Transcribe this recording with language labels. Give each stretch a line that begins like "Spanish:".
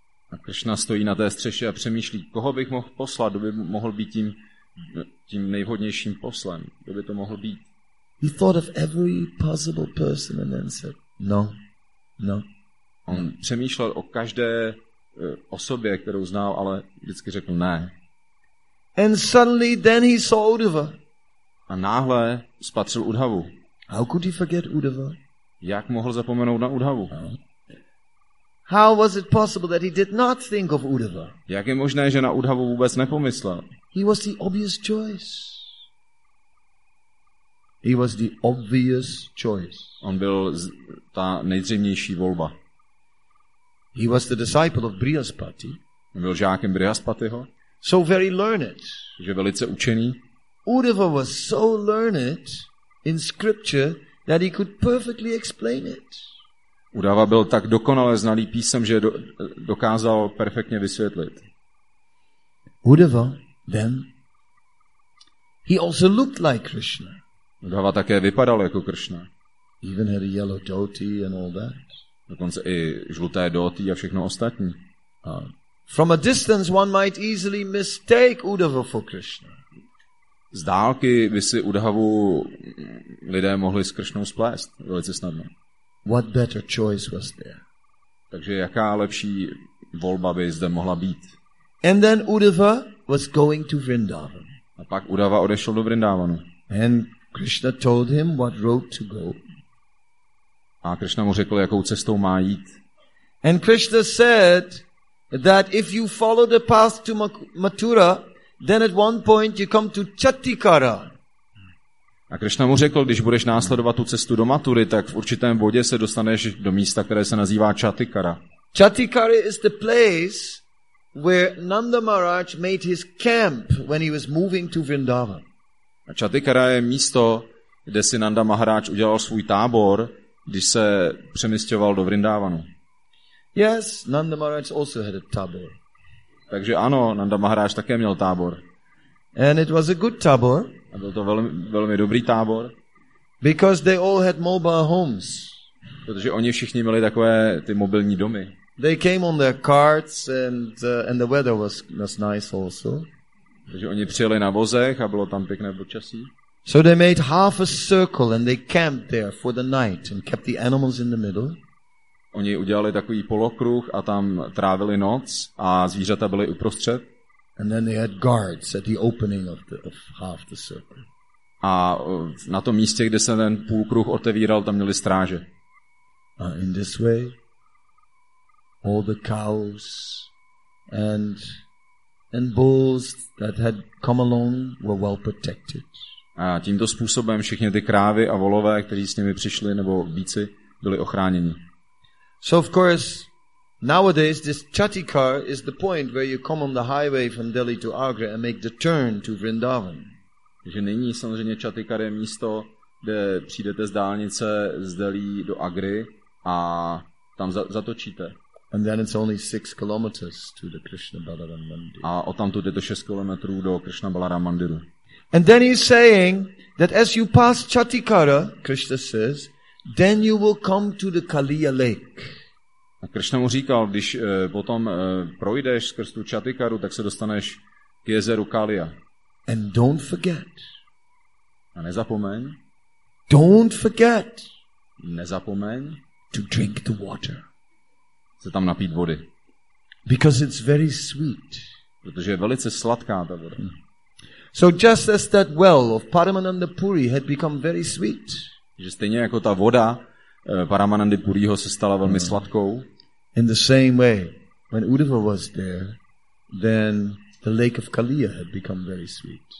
Czech: A Krishna stojí na té střeše a přemýšlí, koho bych mohl poslat, kdo by mohl být tím nejvhodnějším poslem, kdo by to mohl být.
English: He thought of every possible person and then said, no, no.
Czech: On přemýšlel o každé osobě, kterou znal, ale vždycky řekl ne.
English: And suddenly then he saw Uddhava.
Czech: A náhle spatřil Uddhavu.
English: How could he forget Uddhava?
Czech: Jak mohl zapomenout na Uddhavu?
English: How was it possible that he did not think of Uddhava?
Czech: Jak je možné, že na Uddhavu vůbec nepomyslel?
English: He was the obvious choice. He was the obvious choice.
Czech: On byl ta nejzřejmější volba.
English: He was the disciple of Brihaspati.
Czech: On byl žákem Brihaspatiho.
English: So very learned.
Czech: Že velice učený.
English: Uddhava was so learned in scripture that he could perfectly explain it.
Czech: Uddhava byl tak dokonale znalý písem, že dokázal perfektně vysvětlit.
English: Uddhava then he also looked like Krishna.
Czech: Uddhava také vypadal jako Krishna.
English: Even had a yellow dhoti and all that.
Czech: Dokonce i žluté dhoti a všechno ostatní.
English: From a distance one might easily mistake Uddhava for Krishna.
Czech: Z dálky by si Uddhavu lidé mohli s Krishnou splést velice snadno.
English: What better choice was there?
Czech: Takže jaká lepší volba by zde mohla být?
English: And then Uddhava was going to Vrindavan.
Czech: A pak Uddhava odešel do Vrindavanu.
English: And Krishna told him what road to go.
Czech: A Krishna mu řekl, jakou cestou má jít.
English: And Krishna said that if you follow the path to Mathura, then at one point you come to Chattikara.
Czech: A Krishna mu řekl, když budeš následovat tu cestu do Mathury, tak v určitém bodě se dostaneš do místa, které se nazývá Chattikara.
English: Chattikara is the place where Nanda Maharaj made his camp when he was moving to Vrindavan.
Czech: A Chattikara je místo, kde si Nanda Maharaj udělal svůj tábor, když se přemysťoval do Vrindavanu.
English: Yes, Nanda Maharaj also had a tábor.
Czech: Takže ano, Nanda Maharaj také měl tábor.
English: And it was a good tábor.
Czech: A byl to velmi, velmi dobrý tábor.
English: Because they all had mobile homes.
Czech: Protože oni všichni měli takové ty mobilní domy.
English: They came on their carts and the weather was nice also.
Czech: Takže oni přijeli na vozech a bylo tam pěkné počasí.
English: So they made half a circle and they camped there for the night and kept the animals in the middle.
Czech: Oni udělali takový polokruh a tam trávili noc a zvířata byly uprostřed.
English: And then they had guards at the opening of half the circle.
Czech: A na tom místě, kde se ten půlkruh otevíral, tam měli stráže.
English: In this way all the cows and bulls that had come along were well protected.
Czech: A tímto způsobem všechny ty krávy a volové, kteří s nimi přišli nebo býci, byli ochráněni.
English: So of course nowadays this Chattikara is the point where you come on the highway from Delhi to Agra and make the turn to Vrindavan.
Czech: Takže nyní samozřejmě Chattikara je místo, kde přijdete z dálnice z Delhi do Agry a tam zatočíte.
English: And then it's only 6 kilometers to the Krishna Balaram Mandir.
Czech: A odtamtud je to 6 kilometrů do Krishna Balaram Mandiru.
English: And then he's saying that as you pass Chattikara, Krishna says, then you will come to the Kaliya Lake.
Czech: A Krishna mu říkal, když potom projdeš skrz tu Chattikaru, tak se dostaneš k jezeru Kaliya.
English: And don't forget.
Czech: A nezapomeň.
English: Don't forget.
Czech: Nezapomeň.
English: To drink the water.
Czech: Se tam napít vody.
English: Because it's very sweet.
Czech: Protože je velice sladká ta voda. Hmm.
English: So just as that well of Paramananda Puri had become very sweet.
Czech: Že stejně jako ta voda Paramanandy Puriho se stala velmi sladkou.
English: In the same way, when Uddhava was there, then the lake of Kaliya had become very sweet.